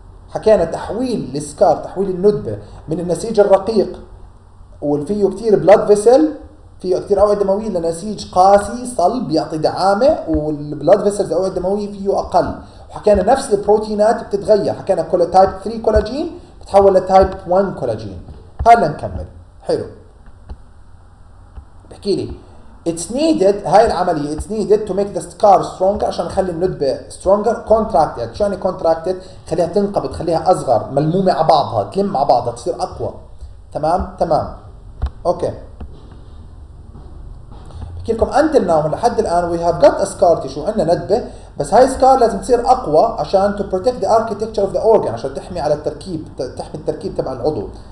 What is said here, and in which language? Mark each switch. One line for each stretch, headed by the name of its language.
Arabic: حكينا تحويل السكار تحويل الندبه من النسيج الرقيق واللي فيه كثير بلاد فيسل فيه كثير اوعيه دمويه لنسيج قاسي صلب يعطي دعامه والبلاد فيسلز اوعيه دمويه فيه اقل وحكينا نفس البروتينات بتتغير حكينا كل تايب 3 كولاجين بتحول لتايب 1 كولاجين. هلا نكمل حلو بحكيلي it's needed هاي العملية
English: it's needed to make the scar stronger
Arabic: عشان نخلي الندبة stronger contracted. شو يعني contracted؟ خليها تنقبض خليها أصغر ملمومة على بعضها تلم على بعضها تصير أقوى. تمام أوكي بحكي لكم until now لحد الآن
English: we have got a scar tissue
Arabic: عندنا ندبة بس هاي scar لازم تصير أقوى عشان
English: to protect the architecture of the organ
Arabic: عشان تحمي على التركيب تحمي التركيب تبع العضو.